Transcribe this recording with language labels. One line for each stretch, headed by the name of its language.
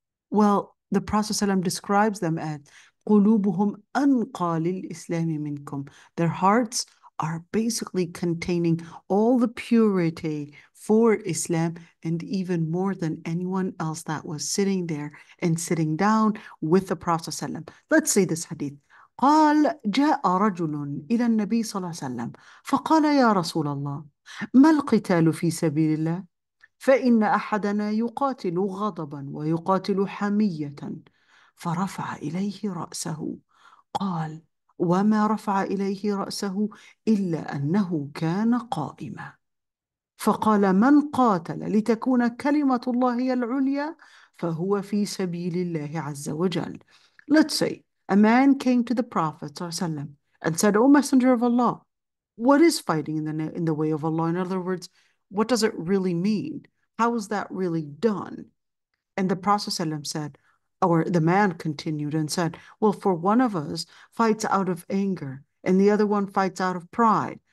English: Well, the Prophet ﷺ describes them as
Arabic: قُلُوبُهُمْ أَنْقَى لِلْإِسْلَامِ مِنْكُمْ.
English: Their hearts are basically containing all the purity for Islam, and even more than anyone else that was sitting there and sitting down with the Prophet ﷺ. Let's say this hadith.
Arabic: قال جاء رجل إلى النبي صلى الله عليه وسلم فقال يا رسول الله ما القتال في سبيل الله فإن أحدنا يقاتل غضبا ويقاتل حمية فرفع إليه رأسه قال وما رفع إليه رأسه إلا أنه كان قائما فقال من قاتل لتكون كلمة الله هي العليا فهو في سبيل الله عز وجل.
English: Let's say a man came to the Prophet ﷺ and said, O Messenger of Allah, what is fighting in the way of Allah? In other words, what does it really mean? How is that really done? And the Prophet ﷺ said, or the man continued and said, well, for one of us fights out of anger and the other one fights out of pride.